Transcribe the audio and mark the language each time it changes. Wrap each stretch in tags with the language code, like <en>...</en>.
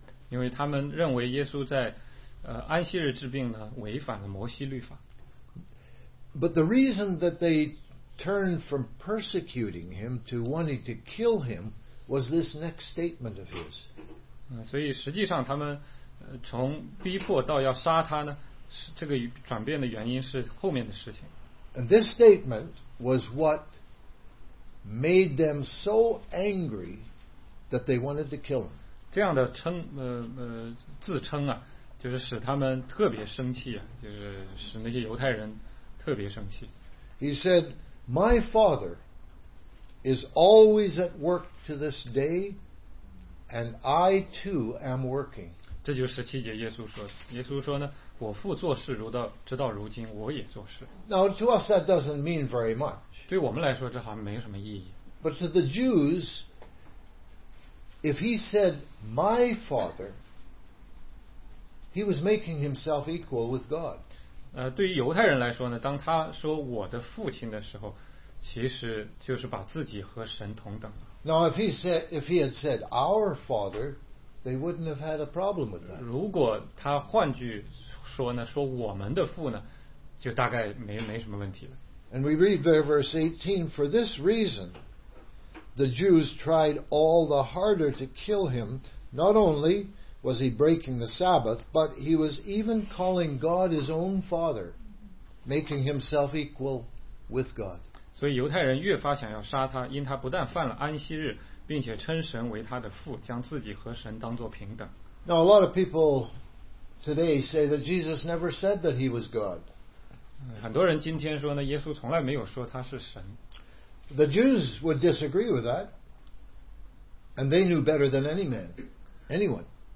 <zh>因为他们认为耶稣在安息日治病呢，违反了摩西律法。</zh> <en>But the reason that they turned from persecuting him to wanting to kill him was this next statement of his.</en> <zh>所以实际上他们从逼迫到要杀他呢，这个转变的原因是后面的事情。</zh> <en>And this statement was what made them so angry that they wanted to kill him.</en> <zh>这样的自称啊，就是使他们特别生气啊，就是使那些犹太人。特别生气。</zh> <en>He said, "My father is always at work to this day, and I too am working."</en> <zh>这就是十七节耶稣说，耶稣说呢，我父做事如到直到如今我也做事。</zh> <en>Now to us that doesn't mean very much.</en> <zh>对我们来说这好像没什么意义。</zh> <en>But to the Jews, if he said my father, he was making himself equal with God.</en> <zh>对于犹太人来说呢，当他说我的父亲的时候，其实就是把自己和神同等。</zh> <en>Now if he had said our father,They wouldn't have had a problem with that.</en> <zh>如果他换句说呢，说我们的父呢，就大概没什么问题了。</zh> <en>And we read verse 18. For this reason, the Jews tried all the harder to kill him. Not only was he breaking the Sabbath, but he was even calling God his own father, making himself equal with God.</en> <zh>所以犹太人越发想要杀他，因他不但犯了安息日。并且称神为他的父，将自己和神当作平等。</zh> <en>Now a lot of people today say that Jesus never said that he was God.</en> <zh>很多人今天说呢，耶稣从来没有说他是神。</zh> <en>The Jews would disagree with that, and they knew better than any man, anyone.</en>